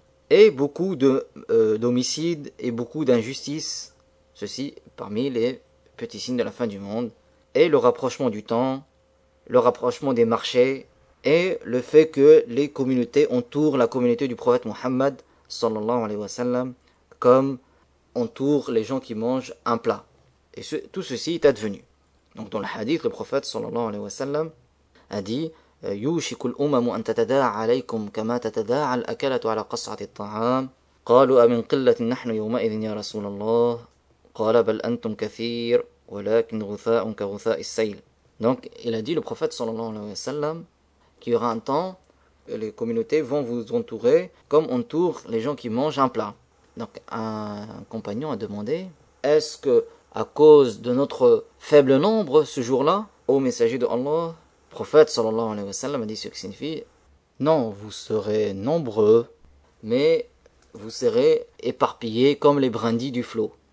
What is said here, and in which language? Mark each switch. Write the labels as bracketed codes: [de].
[fr] Et beaucoup d'homicides et beaucoup d'injustices, ceci parmi les petits signes de la fin du monde, et le rapprochement du temps, le rapprochement des marchés, et le fait que les communautés entourent la communauté du prophète Mohammed, sallallahu alayhi wa sallam, comme entourent les gens qui mangent un plat. Et tout ceci est advenu. Donc dans le hadith, le prophète, sallallahu alayhi wa sallam, a dit [ar] يوشك الأمم أن تتداعى عليكم كما تتداعى الأكلة على قصعة الطعام قالوا أمن قلة نحن يومئذ يا رسول الله قال بل أنتم كثير ولكن غثاء كغثاء السيل. [fr] Donc, il a dit le prophète sallallahu alayhi wa sallam qu'il y aura un temps, les communautés vont vous entourer comme entourent les gens qui mangent un plat. Donc, un compagnon a demandé, est-ce que à cause de notre faible nombre ce jour-là, ô messager de Allah, le prophète sallallahu alayhi wa sallam a dit ce qui signifie non, vous serez nombreux, mais vous serez éparpillés comme les brindilles du flot.